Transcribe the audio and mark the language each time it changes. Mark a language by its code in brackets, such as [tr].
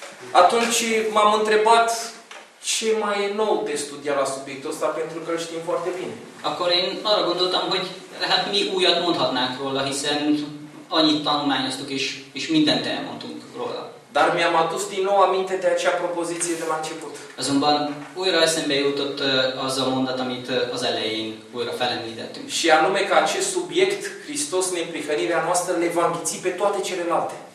[ro] atunci m-am întrebat ce mai e nou de studiat la subiectul ăsta, pentru că îl știm foarte bine. [hu] Akkor én arra gondoltam, hogy hát mi újat mondhatnánk róla, hiszen annyit tanulmányoztuk és mindent elmondtunk róla. [ro] Dar mi-am adus din nou aminte de acea propoziție de la început. [hu] Azonban újra eszembe jutott az a mondat, amit az elején újra felemlítettünk. [ro] Și anume că acest subiect, Hristos, neprihănirea noastră, le va înghiți pe toate celelalte.